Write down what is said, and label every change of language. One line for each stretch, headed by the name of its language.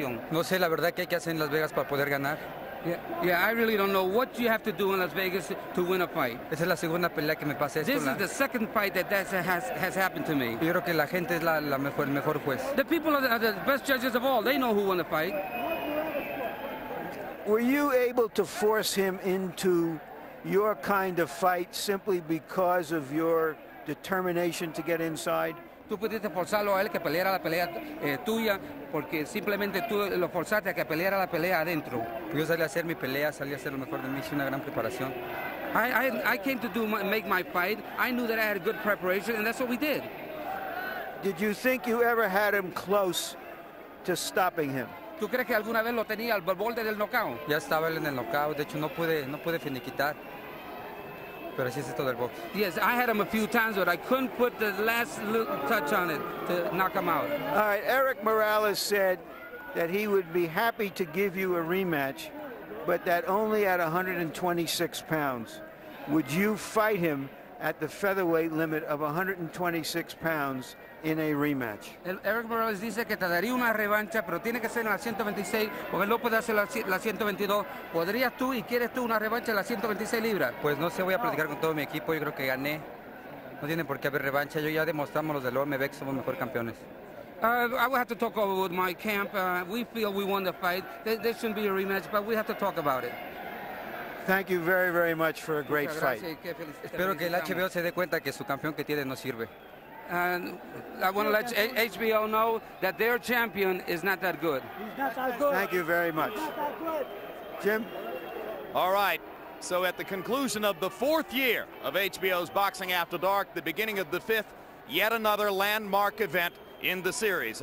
Spanish: No sé la verdad qué hay que hacer en Las Vegas para poder ganar.
English: Yeah, I really don't know what you have to do in Las Vegas to win a fight.
Spanish: Esa es la segunda pelea que me pasa esto.
English: This is the second fight that has happened to me.
Spanish: Yo creo que la gente es la mejor, el mejor juez.
English: The people are the best judges of all. They know who won the fight. Were you able to force him into your kind of fight simply because of your determination to get inside?
Spanish: Tú pudiste forzarlo a él que peleara la pelea tuya porque simplemente tú lo forzaste a que peleara la pelea adentro. Yo salí a hacer mi pelea, salí a hacer lo mejor de mí, hice una gran preparación.
English: I came to make my fight. I knew that I had good preparation, and that's what we did. Did you think you ever had him close to stopping him?
Spanish: ¿Tú crees que alguna vez lo tenía al borde del knockout? Ya estaba él en el knockout. De hecho, no pude finiquitar. Pero así es esto del box.
English: Yes, I had him a few times, but I couldn't put the last little touch on it to knock him out. All right, Erik Morales said that he would be happy to give you a rematch, but that only at 126 pounds. Would you fight him at the featherweight limit of 126 pounds in a rematch?
Spanish: Erik Morales dice que te daría una revancha, pero tiene que ser en la 126, porque no puede hacer la 122. ¿Podrías tú y quieres tú una revancha en la 126 libras? Pues no sé, voy a platicar con todo mi equipo. Yo creo que gané. No tiene por qué haber revancha. Yo ya demostramos los del OMB que somos mejores campeones.
English: I will have to talk over with my camp. We feel we won the fight. There shouldn't be a rematch, but we have to talk about it. Thank you very, very much for a great fight.
Spanish: Espero que el HBO se dé cuenta que su campeón que tiene no sirve.
English: And I want to let HBO know that their champion is not that good. He's not that good. Thank you very much. Jim? All right. So at the conclusion of the fourth year of HBO's Boxing After Dark, the beginning of the fifth, yet another landmark event in the series.